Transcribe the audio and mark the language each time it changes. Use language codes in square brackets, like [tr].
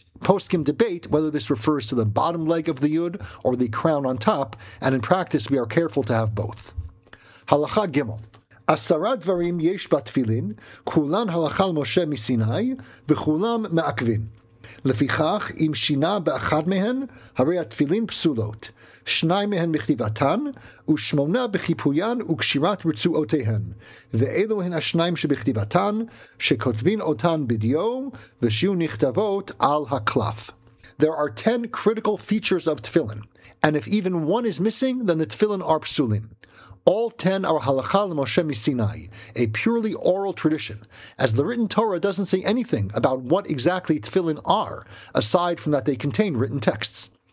[en] Poskim debate whether this refers to the bottom leg of the yud or the crown on top, and in practice we are careful to have both. Halacha Gimel. [he] Asara dvarim yesh batfilin, kulan halachal Moshe misinai, v'chulam me'akvin. לפיכך, אם שינה באחד מהן, הרי התפילין פסולות, שניים מהן בכתיבתן, ושמונה בחיפויין וקשירת רצועותיהן. ואלו הן השניים שבכתיבתן, שכותבין אותן בדיו, ושיהיו נכתבות על הקלף. [en] There are 10 critical features of tefillin, and if even one is missing, then the tefillin are psulim. All 10 are halakha l'Moshe Sinai, a purely oral tradition, as the written Torah doesn't say anything about what exactly tefillin are, aside from that they contain written texts.